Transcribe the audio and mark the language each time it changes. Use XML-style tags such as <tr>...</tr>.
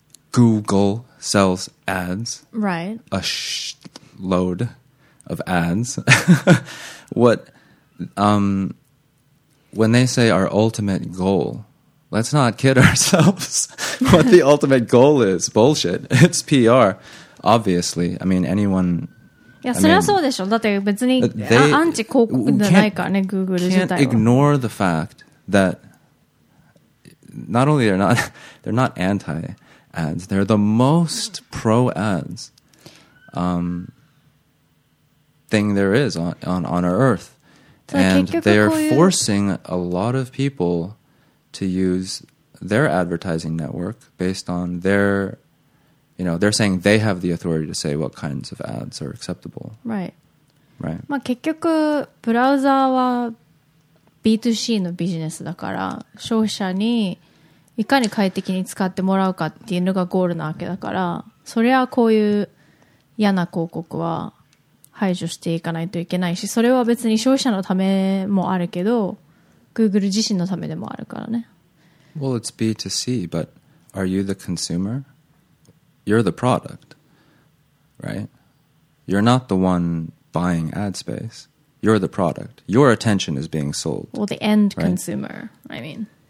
<en>Google sells ads. Right. A load of ads. What, when they say our ultimate goal, let's not kid ourselves what the ultimate goal is. Bullshit. It's PR, obviously. I mean, anyone...</en> <ja>いや、それはそうでしょ。だって別に、アンチ広告じゃないからね、Google 自体は。</ja> <en>Can't ignore the fact that not only they're not anti-ads, they're the most pro-ads, thing there is on earth. And they're forcing a lot of people to use their advertising network based on their... You know, they're saying they have the authority to say what kinds of ads are acceptable. Right. Right.</en> <ja>まあ結局、ブラウザーは B2C のビジネスだから、消費者にいかに快適に使ってもらうかっていうのがゴールなわけだから、それはこういう嫌な広告は排除していかないといけないし、それは別に消費者のためもあるけど、Google 自身のためでもあるからね。</ja> <en>Well, it's B2C, but are you the consumer? You're the product, right? You're not the one buying ad space. You're the product. Your attention is being sold. Well, the end right? consumer, I mean.</en>